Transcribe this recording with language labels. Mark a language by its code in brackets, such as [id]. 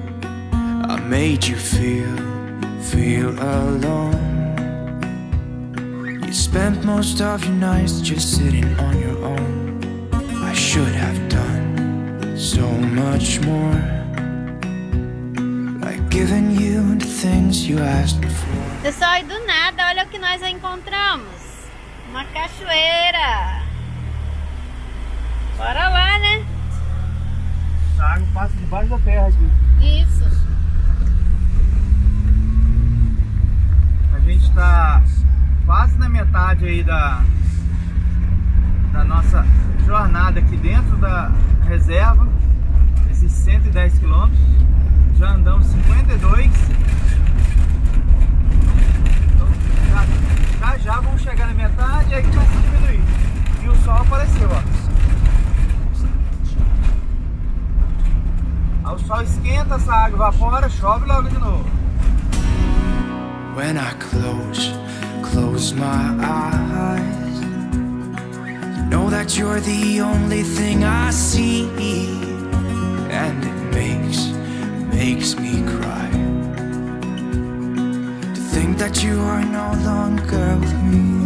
[en] I made you feel alone. You spent most of your nights just sitting on your own. I should have done so much more, like giving you the things you asked before. [pt] Pessoal, e do nada, olha o que nós encontramos: uma cachoeira. Bora lá, né? A água passa debaixo da terra aqui. Isso. A gente tá quase na metade aí da nossa jornada aqui dentro da reserva. Esses 110 quilômetros. Já andamos 52. Então já vamos chegar na metade e aí vai se diminuir. E o sol apareceu, ó. O sol esquenta, essa água evapora, chove logo de novo. [en] When I close my eyes, know that you're the only thing I see, and it makes me cry to think that you are no longer with me.